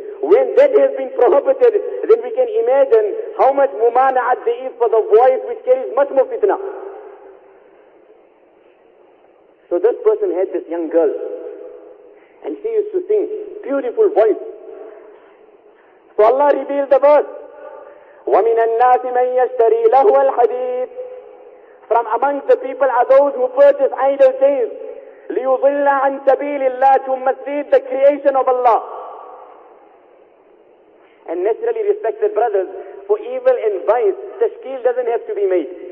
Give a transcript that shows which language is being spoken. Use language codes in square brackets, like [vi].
[en] When that has been prohibited, then we can imagine how much mumana'at there is for the voice, which carries much more fitna. So this person had this young girl, and she used to sing beautiful voice. So Allah revealed the verse, [ar] وَمِنَ النَّاسِ مَنْ يَشْتَرِي لَهُوَ الْحَدِيثِ. [en] From amongst the people are those who purchase idol sales, [ar] لِيُضِلَّ عَنْ سَبِيلِ اللَّهِ, [en] to mislead the creation of Allah. And naturally, respected brothers, for evil and vice, tashkil doesn't have to be made.